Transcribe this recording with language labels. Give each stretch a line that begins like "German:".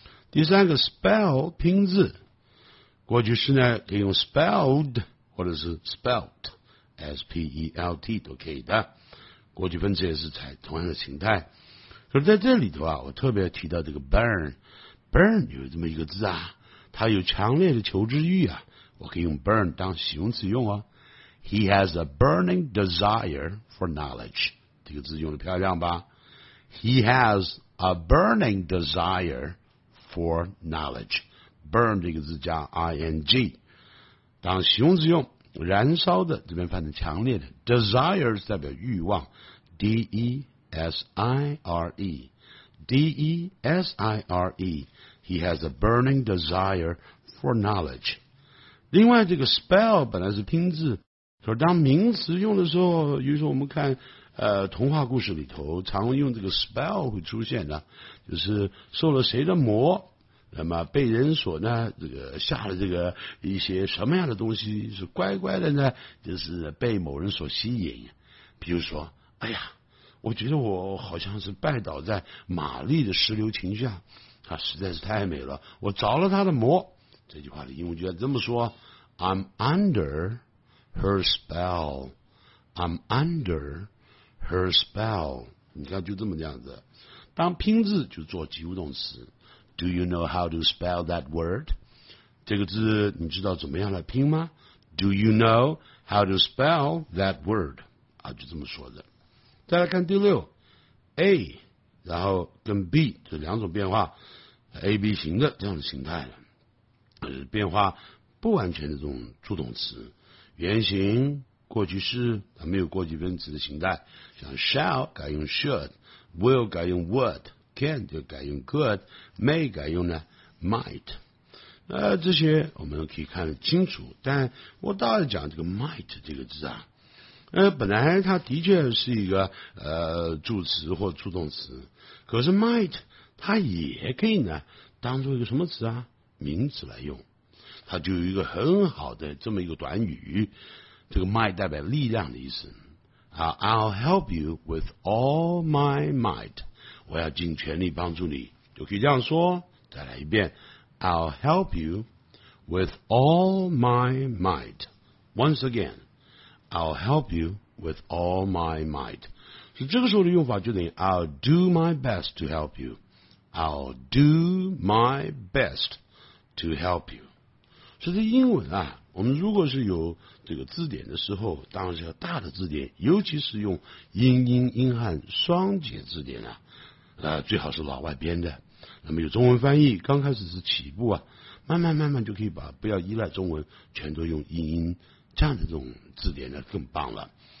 Chinese: 第三个 spell 拼字，过去式呢可以用 spelled 或者是 spelt S-P-E-L-T 都可以的，过去分词也是采同样的形态。可是在这里头啊，我特别提到这个 burn， burn 有这么一个字啊，他有强烈的求知欲啊，我可以用 burn 当形容词用哦。
English: He has a burning desire for knowledge，
Chinese: 这个字用得漂亮吧。
English: He has a burning desire for knowledge，
Chinese: burn 这个字加 ing 当形容词用，燃烧的，这边翻成强烈的。 desires 代表欲望， D-E-S-I-R-E D-E-S-I-R-E。
English: He has a burning desire for knowledge。
Chinese: 另外这个 spell 本来是拼字，可是当名词用的时候，比如说我们看童话故事里头常用这个 spell 会出现的，就是受了谁的魔，那么被人所呢这个下了这个一些什么样的东西，是乖乖的呢就是被某人所吸引。比如说，哎呀，我觉得我好像是拜倒在玛丽的石榴裙下，她实在是太美了，我着了她的魔。这句话的英文就要这么说，
English: I'm under her spell， I'm under her spell。
Chinese: 你看就这么这样子，当拼字就做及物动词。
English: Do you know how to spell that word？
Chinese: 这个字你知道怎么样来拼吗？
English: Do you know how to spell that word？
Chinese: 啊，就这么说的。再来看第六， A 然后跟 B 这两种变化， AB 型的这样的形态了，变化不完全的这种助动词，原型过去式它没有过去分词的形态，像 shall 改用 should， will 改用 would， can 就改用 could， may 改用呢 might。那这些我们可以看得清楚，但我倒要讲这个 might 这个字啊，本来它的确是一个助词或助动词，可是 might 它也可以呢当作一个什么词啊，名词来用。它就有一个很好的这么一个短语，这个 might 代表力量的意思啊。
English: I'll help you with all my might，
Chinese: 我要尽全力帮助你，就可以这样说。再来一遍，
English: I'll help you with all my might， once againI'll help you with all my might。
Chinese: 所以这个时候的用法就等于
English: I'll do my best to help you， I'll do my best to help you。
Chinese: 所以这英文啊，我们如果是有这个字典的时候，当然是要大的字典，尤其是用英英英汉双解字典啊，最好是老外编的。那么有中文翻译刚开始是起步啊，慢慢就可以把不要依赖中文全都用英英这样的这种字典呢更棒了。